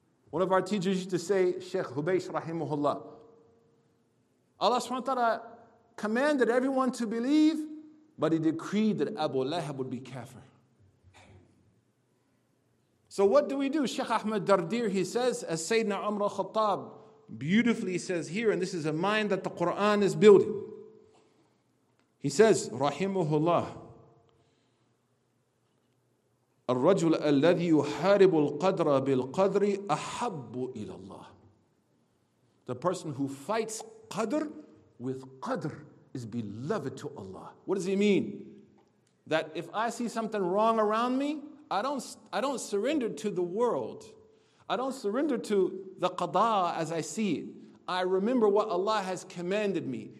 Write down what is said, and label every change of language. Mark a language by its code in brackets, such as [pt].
[en] One of our teachers used to say, Sheikh Hubaysh rahimahullah, Allah subhanahu wa ta'ala commanded everyone to believe, but He decreed that Abu Lahab would be kafir. So what do we do? Sheikh Ahmed Dardir, he says, as Sayyidina Umar al-Khattab beautifully says here, and this is a mind that the Quran is building. He says, [ar] Rahimahullah, الرجل الذي يحارب القدر بالقدر أحب إلى الله. [en] The person who fights qadr with qadr is beloved to Allah. What does he mean? That if I see something wrong around me, I don't surrender to the world. I don't surrender to the qada as I see it. I remember what Allah has commanded me.